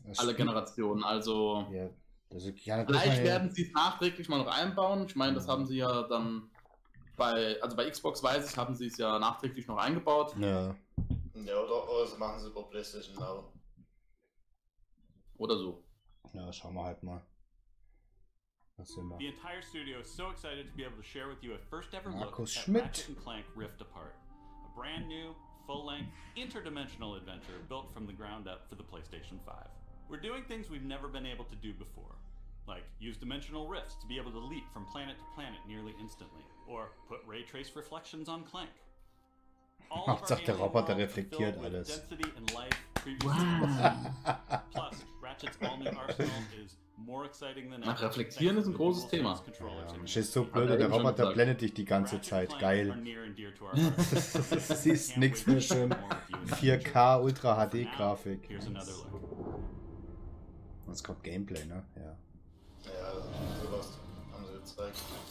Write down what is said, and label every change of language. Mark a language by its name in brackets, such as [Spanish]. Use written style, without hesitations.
[German] Alle Generationen, also. Ja, das ist, ja, vielleicht werden sie es nachträglich mal noch einbauen. Ich meine, das haben sie ja dann bei Xbox, weiß ich, haben sie es ja nachträglich noch eingebaut. Ja. Ja, oder also machen sie über PlayStation auch. Oder so. Ja, schauen wir halt mal. [English] The entire studio is so excited to be able to share with you a first ever Markus look Schmidt. At Ratchet & Clank Rift Apart. A brand new, full-length, interdimensional adventure built from the ground up for the PlayStation 5. We're doing things we've never been able to do before. Like use dimensional rifts to be able to leap from planet to planet nearly instantly. Or put ray trace reflections on Clank. [German] Ach, sagt der Roboter, reflektiert alles. [English] Life, wow. Plus, Ratchet's all-new arsenal is more exciting than ever. [German] Ach, reflektieren ist ein großes Thema. Ja, ist so blöd, der Roboter blendet dich die ganze Zeit. Geil. Siehst nichts mehr schön. 4K Ultra HD Grafik. Jetzt kommt Gameplay, ne? Ja. Ja, sowas haben sie gezeigt.